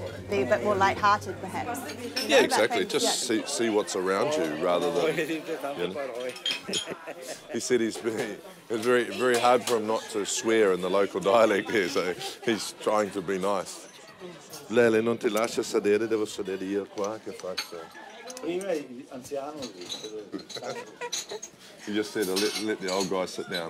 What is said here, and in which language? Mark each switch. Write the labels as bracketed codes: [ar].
[en] Be a bit more lighthearted, perhaps. Yeah, exactly. Just yeah. see what's around you rather than. You know. He said it's very very hard for him not to swear in the local dialect here, so he's trying to be nice. [it] Lele, non ti lascia sedere, devo sedere io qua, che faccio? [en] He just said, let the old guy sit down.